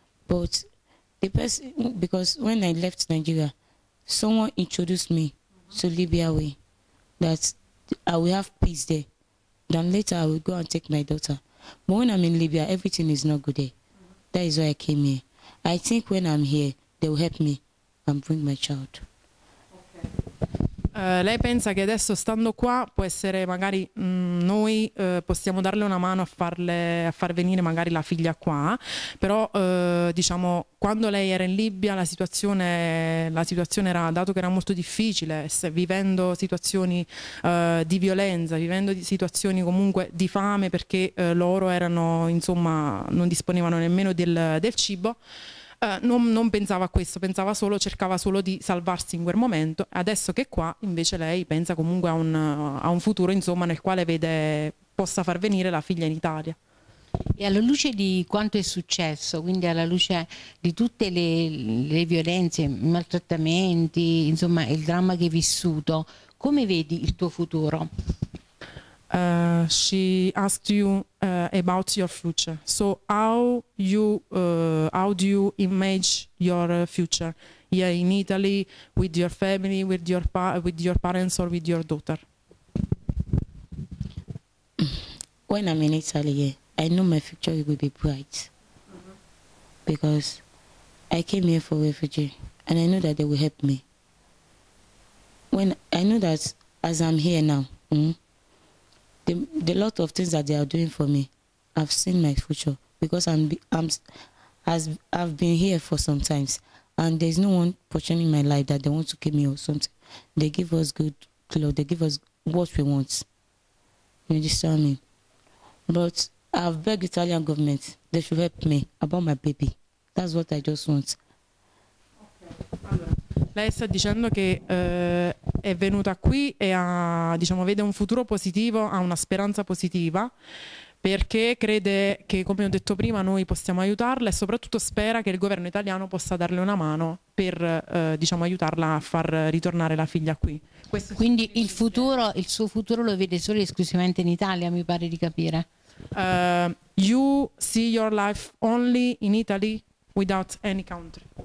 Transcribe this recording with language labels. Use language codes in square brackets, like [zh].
[en] But the person, because when I left Nigeria, someone introduced me to Libya way, that I will have peace there. Then later I will go and take my daughter. But when I'm in Libya, everything is not good there. That is why I came here. I think when I'm here, they will help me and bring my child. Okay. [it] Lei pensa che adesso, stando qua, può essere magari noi possiamo darle una mano a far venire magari la figlia qua, però diciamo, quando lei era in Libia la situazione era, dato che era molto difficile, vivendo situazioni di violenza, vivendo situazioni comunque di fame, perché loro erano, insomma, non disponevano nemmeno del cibo. Non pensava a questo, cercava solo di salvarsi in quel momento. Adesso che qua, invece, lei pensa comunque a un futuro, insomma, nel quale vede possa far venire la figlia in Italia. E alla luce di quanto è successo, quindi alla luce di tutte le violenze, i maltrattamenti, insomma, il dramma che hai vissuto, come vedi il tuo futuro? [en] She asked you about your future. So how do you image your future here in Italy with your family, with your parents or with your daughter? When I'm in Italy, yeah, I know my future will be bright. Because I came here for refugee and I know that they will help me. When I know that as I'm here now, The lot of things that they are doing for me, I've seen my future, because I've been here for some times, and there's no one portion in my life that they want to keep me or something. They give us good clothes, they give us what we want. You understand me? But I've begged Italian government, they should help me about my baby. That's what I just want. [it] Lei sta dicendo che è venuta qui e ha, diciamo, vede un futuro positivo, ha una speranza positiva, perché crede che, come ho detto prima, noi possiamo aiutarla, e soprattutto spera che il governo italiano possa darle una mano per aiutarla a far ritornare la figlia qui. Questo. Quindi il futuro, il suo futuro lo vede solo e esclusivamente in Italia, mi pare di capire. [en] You see your life only in Italy without any country?